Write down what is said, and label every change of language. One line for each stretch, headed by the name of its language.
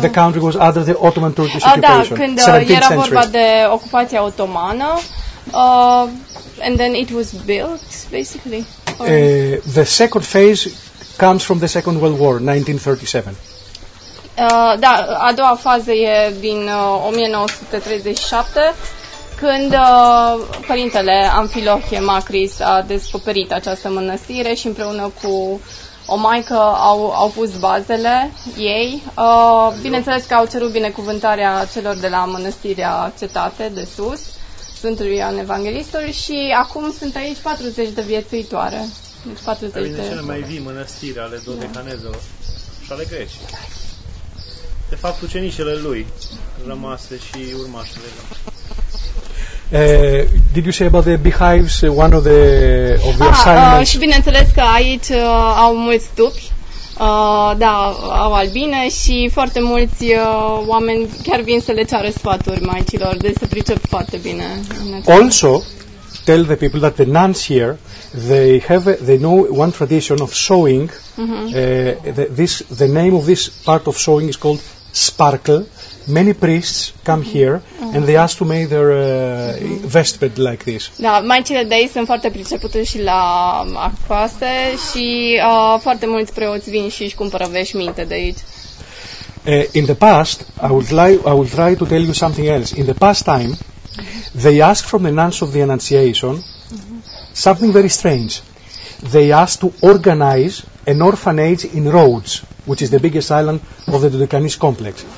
English: the country was under the Ottoman Turkish occupation.
Romanian: Da, când era vorba de ocupația otomană.
English: And then it was built basically. The second phase comes from the Second World War, 1937.
Romanian: Da, a doua fază e din 1937. Când părintele Amfilohie Macris a descoperit această mănăstire și împreună cu o maică au pus bazele ei, bineînțeles că au cerut binecuvântarea celor de la mănăstirea Cetate de Sus, Sfântului Ioan Evanghelistul, și acum sunt aici 40 de viețuitoare. Deci 40 de cele mai vii mănăstiri ale dodecanezelor și ale grecii. De fapt, ucenicele lui rămase și urmașele lui.
English: Did you say about the beehives, one of the assignments?
Romanian: Și bineînțeles că aici au mulți tupi, da, au albine și foarte mulți oameni chiar vin să le ceară sfaturi maicilor, de se pricep foarte bine.
English: Also, tell the people that the nuns here, they know one tradition of sewing. Mm-hmm. The name of this part of sewing is called sparkle. Many priests come here and they ask to make their vestment like this.
Romanian: Da, maicile de aici sunt foarte pricepute și la acoase și foarte mulți preoți vin și își cumpără veșminte de aici.
English: In the past, I will try to tell you something else. In the past time, they ask from the nuns of the Annunciation something very strange. They ask to organize an orphanage in Rhodes, which is the biggest island of the Dodecanese complex.